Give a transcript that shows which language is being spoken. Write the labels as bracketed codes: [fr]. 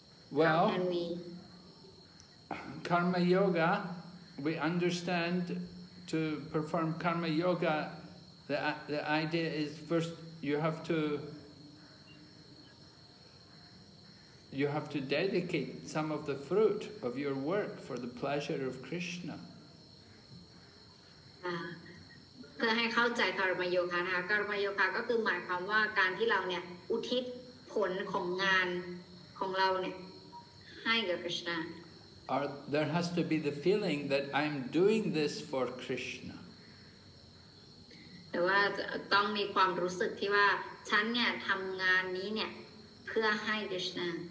[en] Well, karma yoga, we understand to perform karma yoga, the idea is first you have to dedicate some of the fruit of your work for the pleasure of Krishna. [th] เพื่อให้เข้าใจกรรมโยคะนะคะกรรมโยคะก็คือหมายความว่าการที่เราเนี่ยอุทิศผลของงานของเราเนี่ยให้กับ Krishna. [en] Or there has to be the feeling that I'm doing this for Krishna. [th] แต่ว่าต้องมีความรู้สึกที่ว่าฉันเนี่ยทำงานนี้เนี่ยเพื่อให้ Krishna.